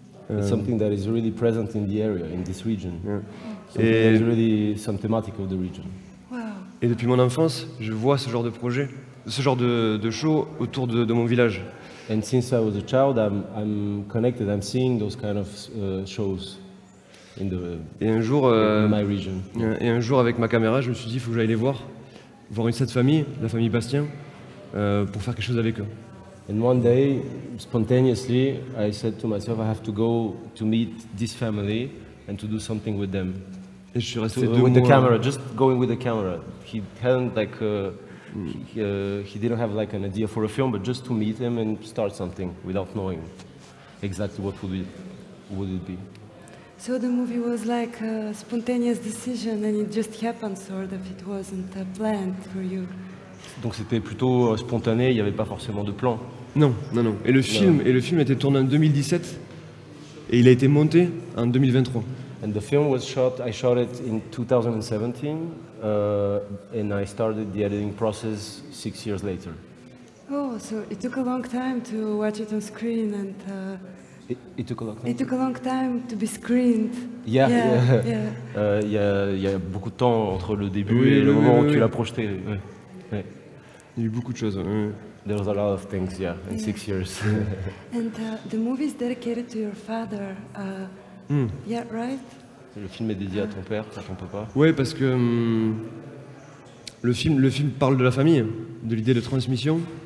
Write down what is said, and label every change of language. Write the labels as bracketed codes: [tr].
[en] It's something that is really present in the area, in this region. Yeah. So it's really some thematic of the region. Wow. [fr] Et depuis mon enfance, je vois ce genre de projet, ce genre de show autour de mon village. [en] And since I was a child, I'm connected. I'm seeing those kind of shows. [fr] Et un jour, avec ma caméra, je me suis dit, il faut que j'aille les voir, voir une cette famille, la famille Bastien, pour faire quelque chose avec eux. [en] And one day, spontaneously, I said to myself, I have to go to meet this family and to do something with them. [fr] Et je suis resté [en] with the camera, just going with the camera. He hadn't like he didn't have like an idea for a film, but just to meet him and start something without knowing exactly what would it be. So the movie was like a spontaneous decision and it just happened sort of, it wasn't planned for you. [fr] Donc c'était plutôt spontané, il n'y avait pas forcément de plan. Non, non, non. Et le film, et le film a été tourné en 2017 et il a été monté en 2023. [en] And the film was shot, I shot it in 2017 and I started the editing process 6 years later. Oh, so it took a long time to watch it on screen and... It took a long time. It took a long time to be screened. Yeah, yeah. [fr] Il y a beaucoup de temps entre le début et le moment où tu l'as projeté. Ouais. Ouais. Il y a eu beaucoup de choses. Ouais. [en] There was a lot of things, yeah, in 6 years. And the movie is dedicated to your father. Yeah, right? [fr] Le film est dédié à ton père, à ton papa. Oui, parce que le film parle de la famille, de l'idée de transmission.